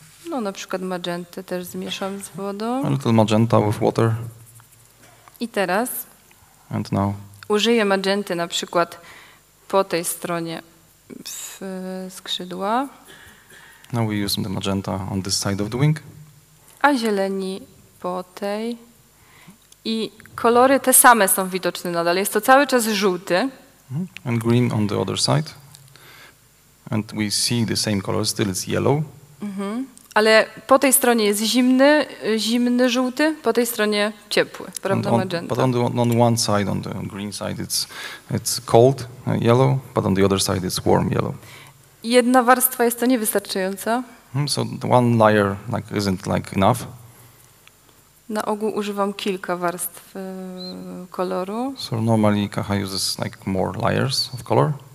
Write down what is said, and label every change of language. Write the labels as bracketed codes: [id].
[pl] No na przykład magentę też zmieszam z wodą. [en] A little magenta with water. [pl] I teraz? [en] And now? [pl] Użyję magenty na przykład po tej stronie w skrzydła. [en] Now we use the magenta on this side of the wing. [pl] A zieleni po tej. I kolory te same są widoczne nadal. Jest to cały czas żółty. [en] And green on the other side. And we see the same color, still it's yellow. Mm-hmm. [pl] Ale po tej stronie jest zimny żółty, po tej stronie ciepły, prawda, magenta. [en] But on one side, on the green side, it's cold, yellow, but on the other side it's warm yellow. [pl] Jedna warstwa jest to niewystarczająca. [en] So the one layer like isn't like enough. [pl] Na ogół używam kilka warstw koloru. [en] So normally Kaha uses like more layers of color.